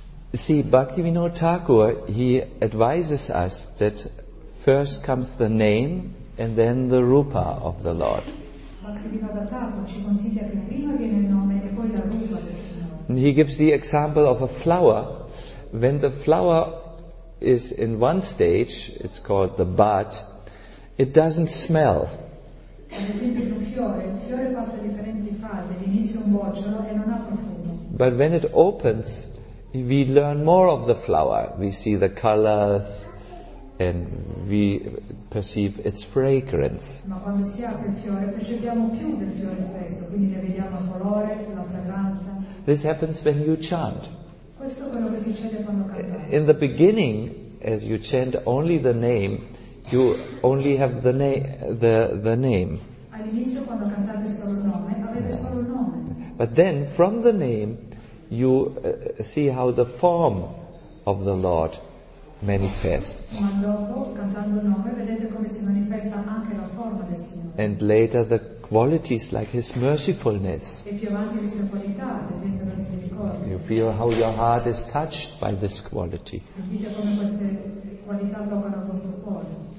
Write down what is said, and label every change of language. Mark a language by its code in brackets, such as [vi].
[en] see, Bhaktivinoda Thakur, he advises us that first comes the name and then the rupa of the Lord. [it] Bhaktivinoda Thakur ci consiglia che prima viene il nome e poi la rupa del Signore. [en] He gives the example of a flower. When the flower is in one stage, it's called the bud, it doesn't smell. [it] Ad esempio, il fiore passa differenti fasi, all'inizio un bocciolo e non ha profumo. [en] But when it opens, we learn more of the flower. We see the colors and we perceive its fragrance. [it] Ma quando si apre il fiore percepiamo più del fiore stesso, quindi ne vediamo il colore, la fragranza. [en] This happens when you chant. [it] Questo è quello che succede quando canti. [en] In the beginning, as you chant only the name, you only have the name. [it] All'inizio quando cantate solo il nome, avete solo il nome. [en] But then from the name you see how the form of the Lord manifests. [it] Ma dopo, cantando il nome, vedete come si manifesta anche la forma del Signore. [en] And later the qualities like his mercifulness. [it] E più avanti le sue qualità, ad esempio la misericordia. [en] You feel how your heart is touched by this quality. [it] Sentite come queste qualità toccano il vostro cuore.